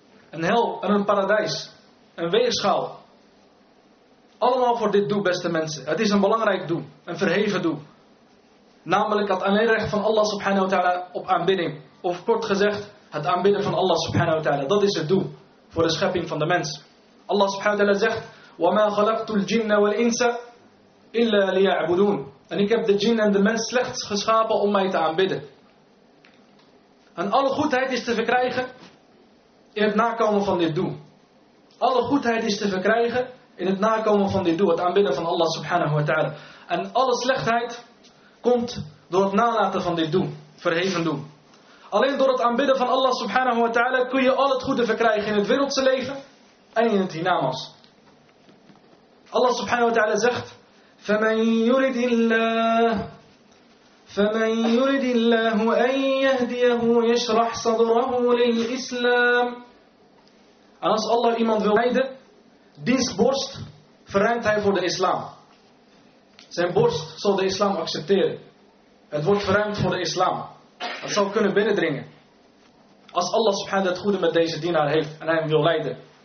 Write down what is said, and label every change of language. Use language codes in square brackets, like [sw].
[nl] Een hel en een paradijs. Een weegschaal. Allemaal voor dit doel, beste mensen. Het is een belangrijk doel. Een verheven doel. Namelijk het alleenrecht van Allah subhanahu wa ta'ala op aanbidding. Of kort gezegd, het aanbidden van Allah subhanahu wa ta'ala. Dat is het doel voor de schepping van de mens. [ar] Allah subhanahu wa ta'ala [nl] zegt, [ar] وَمَا خَلَقْتُ الْجِنَّ وَالْإِنسَ إِلَّا لِيَعْبُدُونَ. [nl] En ik heb de jinn en de mens slechts geschapen om mij te aanbidden. En alle goedheid is te verkrijgen in het nakomen van dit doel. Alle goedheid is te verkrijgen in het nakomen van dit doel. Het aanbidden van Allah subhanahu wa ta'ala. En alle slechtheid komt door het nalaten van dit doel. Verheven doel. Alleen door het aanbidden van Allah subhanahu wa ta'ala kun je al het goede verkrijgen in het wereldse leven en in het hiernamaals. [ar] Allah subhanahu wa ta'ala [nl] zegt, [ar] فَمَنْ يُرِدِ اللَّهُ أَنْ يَهْدِيَهُ يَشْرَحْ صَدْرَهُ لِلْإِسْلَامِ. [nl] En als Allah iemand wil leiden, diens borst verruimt hij voor de islam. Zijn borst zal de islam accepteren. Het wordt verruimd voor de islam. Het zal kunnen binnendringen. Als Allah subhanahu het goede met deze dienaar heeft en hij hem wil leiden.